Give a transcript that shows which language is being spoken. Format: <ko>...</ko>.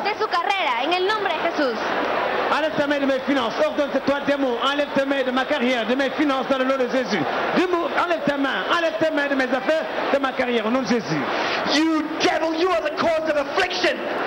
<es>De su carrera, en el nombre de Jesús.</es> <fr>Enlève tes mains de mes finances, ordonne ces trois démons, enlève tes mains de ma carrière, de mes finances dans le nom de Jésus. Enlève tes mains de mes affaires, de ma carrière, au nom de Jésus.</fr> <en>You devil, you are the cause of affliction.</en>